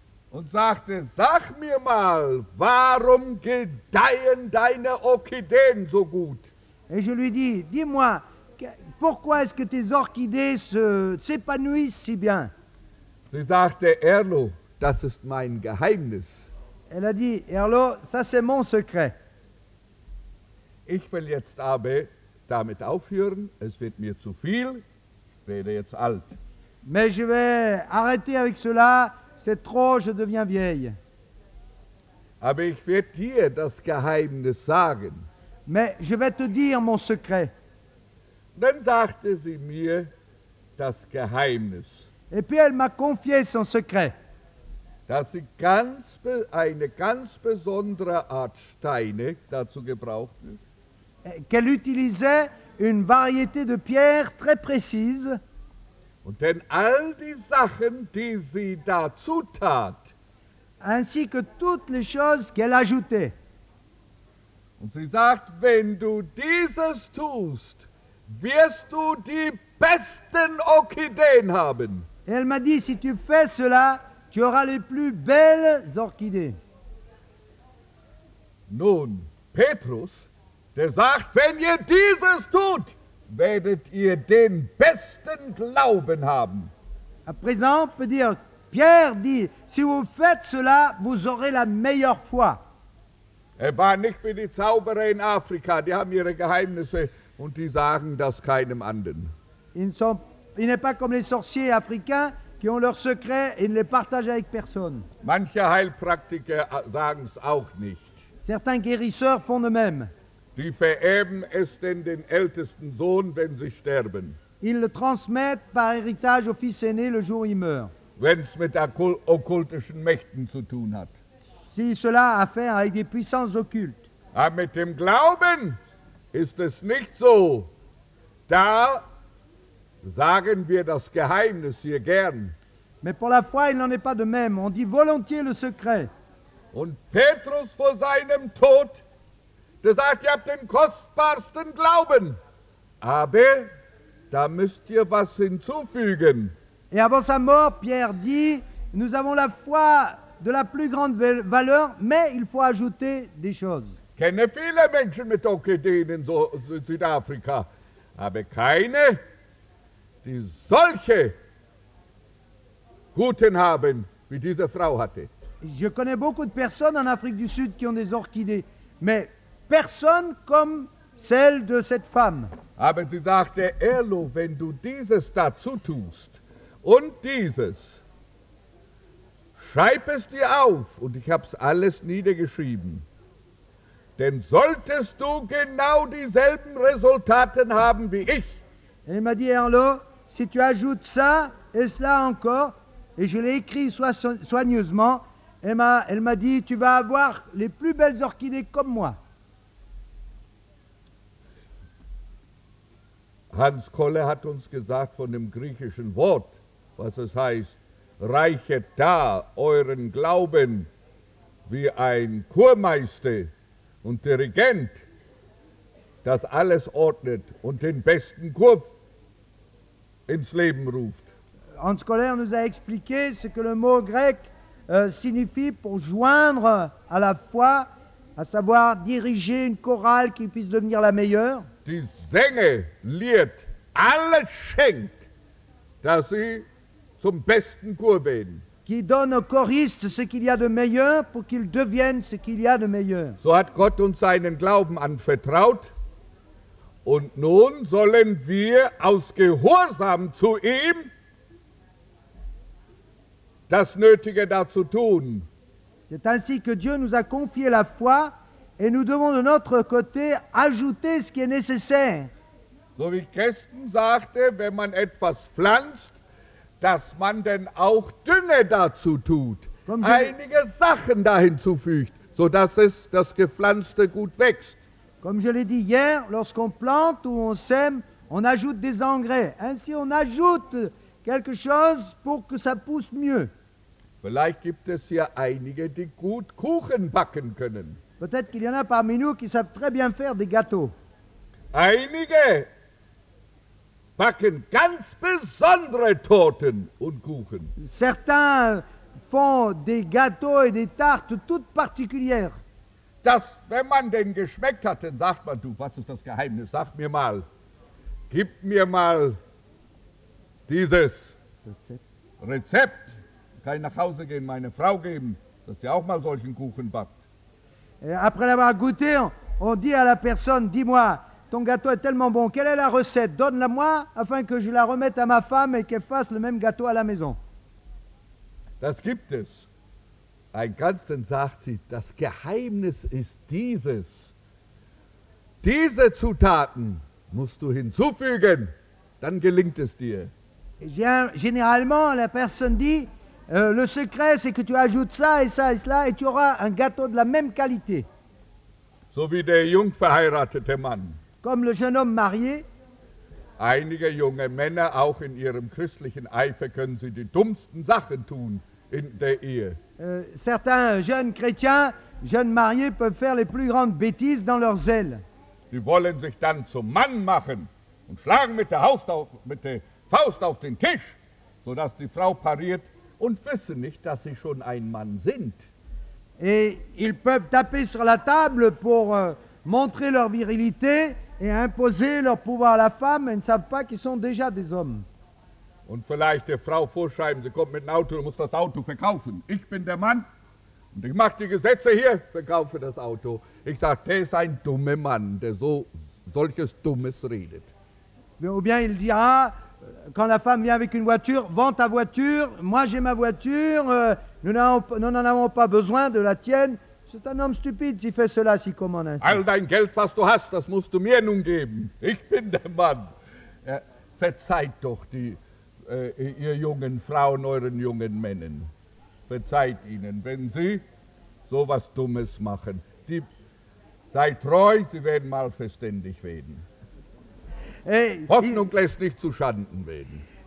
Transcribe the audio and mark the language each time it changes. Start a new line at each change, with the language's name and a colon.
German: Und sagte, sag mir mal, warum gedeihen deine Orchideen so gut?
French: Et je lui dis, dis-moi, pourquoi est-ce que tes orchidées s'épanouissent si bien?
German: Sie sagte, Erlo, das ist mein Geheimnis.
French: Elle a dit, Erlo, ça c'est mon secret.
German: Ich will jetzt aber damit aufhören, es wird mir zu viel, ich werde jetzt alt.
French: Mais je vais arrêter avec cela, c'est trop, je deviens vieille.
German: Aber ich werde dir das Geheimnis sagen.
French: Mais je vais te dire mon secret.
German: Dann sagte sie mir das Geheimnis.
French: Et puis elle m'a confié son secret.
German: Dass sie eine ganz besondere Art Steine dazu gebrauchte.
French: Qu'elle utilisait une variété de pierres très précise.
German: Und denn all die Sachen, die sie dazu tat.
French: Ainsi que toutes les choses qu'elle ajoutait.
German: Und sie sagt, wenn du dieses tust, wirst du die besten Orchideen haben.
French: Et elle m'a dit, si tu fais cela, tu auras les plus belles orchidées.
German: Nun, Petrus, der sagt, wenn ihr dieses tut, werdet ihr den besten Glauben haben.
French: À présent, on peut dire, Pierre dit, si vous faites cela, vous aurez la meilleure foi.
German: Er war nicht wie die Zauberer in Afrika, die haben ihre Geheimnisse und die sagen das keinem anderen.
French: Il n'est pas comme les sorciers africains qui ont leurs secrets et ne les partagent avec personne.
German: Manche Heilpraktiker sagen es auch nicht.
French: Certains guérisseurs font de même.
German: Die vererben es denn den ältesten Sohn, wenn sie sterben.
French: Ils le transmettent par héritage au fils aîné le jour où il meurt.
German: Wenn es mit okkultischen Mächten zu tun hat.
French: Si cela a affaire avec des puissances occultes.
German: Aber mit dem Glauben ist es nicht so. Da sagen wir das Geheimnis hier gern.
French: Mais pour la foi, il n'en est pas de même. On dit volontiers le secret.
German: Und Petrus vor seinem Tod, der sagt, ihr habt den kostbarsten Glauben. Aber da müsst ihr was hinzufügen.
French: Et avant sa mort, Pierre dit, nous avons la foi de la plus grande valeur, mais il faut ajouter des choses.
German: Ich kenne viele Menschen mit Orchideen in Südafrika, aber keine, die solche Guten haben, wie diese Frau hatte.
French: Je connais beaucoup de personnes en Afrique du Sud qui ont des orchidées, mais personne comme celle de cette femme.
German: Aber sie sagte, Erlo, wenn du dieses dazu tust und dieses, schreib es dir auf, und ich hab's alles niedergeschrieben, denn solltest du genau dieselben Resultate haben wie ich.
French: Elle m'a dit, Erlo, si tu ajoutes ça et cela encore, et je l'ai écrit soigneusement, elle m'a dit, tu vas avoir les plus belles orchidées comme moi.
German: Hans Kolle hat uns gesagt von dem griechischen Wort, was es heißt, reichet da euren Glauben wie ein Kurmeister und Dirigent, das alles ordnet und den besten Kurf ins Leben ruft.
French: Hans Kolle nous a expliqué ce que le mot grec signifie pour joindre à la foi, à savoir diriger une chorale qui puisse devenir la meilleure.
German: Die Sänger lehrt, alles schenkt, dass sie zum besten Chor werden.
French: Qui donne aux choristes ce qu'il y a de meilleur pour qu'ils deviennent ce qu'il y a de meilleur.
German: So hat Gott uns seinen Glauben anvertraut. Und nun sollen wir aus Gehorsam zu ihm das Nötige dazu tun.
French: C'est ainsi que Dieu nous a confié la foi. Et nous devons de notre côté ajouter ce qui est nécessaire.
German: So wie Kästen sagte, wenn man etwas pflanzt, dass man denn auch Dünge dazu tut, einige Sachen dahin zufügt, sodass es das Gepflanzte gut wächst.
French: Comme je l'ai dit hier, lorsqu'on plante ou on sème, on ajoute des engrais. Ainsi on ajoute quelque chose pour que ça pousse mieux.
German: Vielleicht gibt es hier einige, die gut Kuchen backen können.
French: Peut-être qu'il y en a parmi nous qui savent très bien faire des gâteaux.
German: Einige backen ganz besondere Torten und Kuchen.
French: Certains font des gâteaux et des tartes toutes particulières.
German: Das, wenn man den geschmeckt hat, dann sagt man, du, was ist das Geheimnis? Sag mir mal, gib mir mal dieses Rezept. Kann ich nach Hause gehen, meine Frau geben, dass sie auch mal solchen Kuchen backt.
French: Et après l'avoir goûté, on dit à la personne, dis-moi, ton gâteau est tellement bon, quelle est la recette? Donne-la-moi afin que je la remette à ma femme et qu'elle fasse le même gâteau à la maison.
German: Das gibt es. Ein Ganzen sagt sie, das Geheimnis ist dieses. Diese Zutaten musst du hinzufügen, dann gelingt es dir.
French: Généralement, la personne dit, le secret, c'est que tu ajoutes ça et ça et cela et tu auras un gâteau de la même qualité.
German: So wie der jung verheiratete Mann.
French: Comme le jeune homme marié.
German: Einige junge Männer, auch in ihrem christlichen Eifer, können sie die dummsten Sachen tun in der Ehe.
French: Certains jeunes chrétiens, jeunes mariés, peuvent faire les plus grandes bêtises dans leur zèle.
German: Die wollen sich dann zum Mann machen und schlagen mit der Faust auf den Tisch, sodass die Frau pariert. Und wissen nicht, dass sie schon ein Mann sind.
French: Et ils peuvent taper sur la table pour montrer leur virilité et imposer leur pouvoir à la femme et ne savent pas qu'ils sont déjà des hommes.
German: Und vielleicht der Frau vorschreiben, sie kommt mit dem Auto und muss das Auto verkaufen. Ich bin der Mann und ich mache die Gesetze hier, verkaufe das Auto. Ich sage, der ist ein dummer Mann, der so solches Dummes redet.
French: Ou bien il dira, quand la femme vient avec une voiture, vend ta voiture, moi j'ai ma voiture, nous n'en avons pas besoin de la tienne. C'est un homme stupide s'il fait cela, s'il commande ainsi.
German: All dein Geld, was du hast, das musst du mir nun geben. Ich bin der Mann. Verzeiht doch ihr jungen Frauen, euren jungen Männern. Verzeiht ihnen, wenn sie sowas Dummes machen. Sei treu, sie werden mal verständig werden. Hoffnung lässt nicht zu Schanden werden.